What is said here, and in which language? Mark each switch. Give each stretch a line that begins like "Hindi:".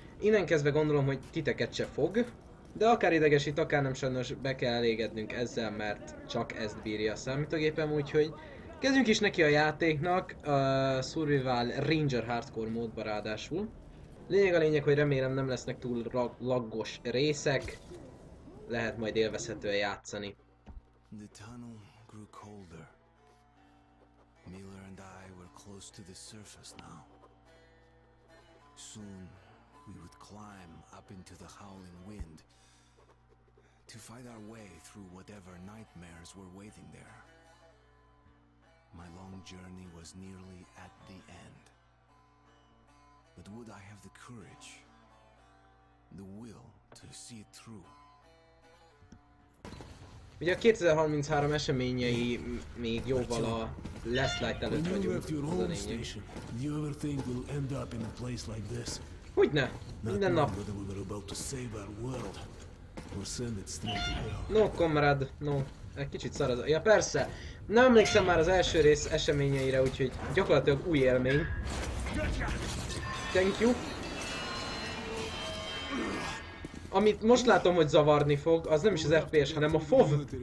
Hungarian: Innen kezdve gondolom, hogy titeket se fog. De akár idegesít, akár nem, sajnos be kell elégednünk ezzel, mert csak ezt bírja a számítógépem, úgyhogy kezdjünk is neki a játéknak. Survival Ranger Hardcore módba ráadásul. Lényeg a lényeg, hogy remélem nem lesznek túl laggos részek. Lehet majd élvezhetően játszani.
English: The tunnel grew colder. Miller and I were close to the surface now. Soon we would climb up into the howling wind to fight our way through whatever nightmares were waiting there. My long journey was nearly at the end. But would I have the courage, the will to see it through?
Hungarian: Ugye a 2033 eseményei még jóval a Last Light előtt vagyunk.
English: When you left your home station, do you ever think we'll end up in a place like this?
Hungarian: Hogyne? Minden nap.
English: Not knowing whether we're about to save our world or send it straight to hell. No, comrade, no.
Hungarian: Egy kicsit szar az... Ja persze, nem emlékszem már az első rész eseményeire, úgyhogy gyakorlatilag új élmény.
English: Thank you.
Hungarian: Amit most látom, hogy zavarni fog, az nem is az FPS, hanem a FOV.